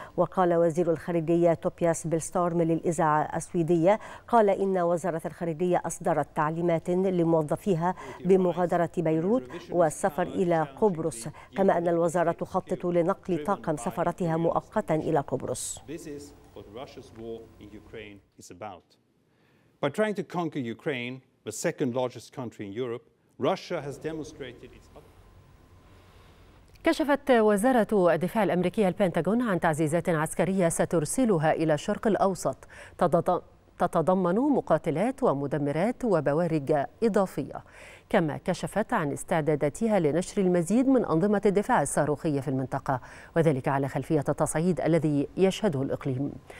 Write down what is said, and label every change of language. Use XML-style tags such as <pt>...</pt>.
<ar>وقال وزير الخارجية توبياس بيلستورم للإذاعة السويدية قال إن وزارة الخارجية أصدرت تعليمات لموظفيها بمغادرة بيروت والسفر إلى قبرص، كما أن الوزارة تخطط لنقل طاقم سفارتها مؤقتا إلى قبرص.</ar> <en>What Russia's war in Ukraine is about. By trying to conquer Ukraine, the second largest country in Europe, Russia has demonstrated its.</en> <ar>كشفت وزارة الدفاع الأمريكية البنتاغون عن تعزيزات عسكرية سترسلها إلى الشرق الأوسط تتضمن مقاتلات ومدمرات وبوارج إضافية. كما كشفت عن استعداداتها لنشر المزيد من أنظمة الدفاع الصاروخية في المنطقة، وذلك على خلفية التصعيد الذي يشهده الإقليم.</ar>